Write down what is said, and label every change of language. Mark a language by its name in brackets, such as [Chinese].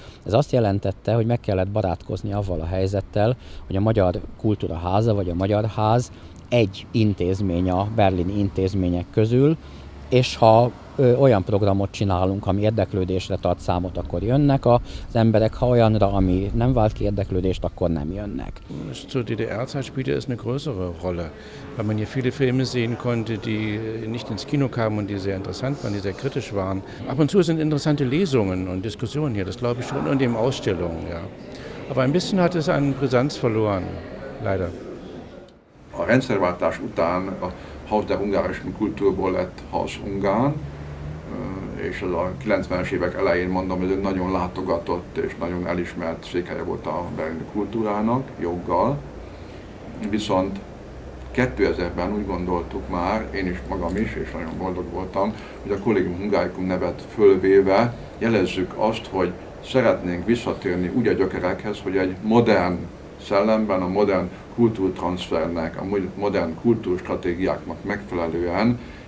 [Hungarian] Ez azt jelentette, hogy meg kellett barátkozni avval a helyzettel, hogy a Magyar Kultúra Háza vagy a Magyar Ház egy intézmény a berlini intézmények közül, és ha olyan programot csinálunk, ami érdeklődésre tart számot, akkor jönnek az emberek, ha olyanra, ami nem vált ki érdeklődést, akkor nem jönnek. [German] Zu DDR-Zeit spielte es eine größere Rolle, weil man hier viele Filme sehen konnte, die nicht ins Kino kamen und die sehr interessant waren, die sehr kritisch waren. Ab und zu sind interessante Lesungen und Diskussionen hier, das glaube ich schon, und eben Ausstellungen, ja. Aber ein bisschen hat es an Brisanz verloren, leider. [Hungarian] A rendszerváltás után a Haus der Ungarischen Kulturból lett Haus Ungarn, és az a 90-es évek elején, mondom, ez egy nagyon látogatott és nagyon elismert székhelye volt a berlini kultúrának, joggal. Viszont 2000-ben úgy gondoltuk már, én is magam is, és nagyon boldog voltam, hogy a Collegium Hungaricum nevet fölvéve jelezzük azt, hogy szeretnénk visszatérni úgy a gyökerekhez, hogy egy modern szellemben, a modern kultúrtranszfernek, a modern kultúrstratégiáknak megfelelően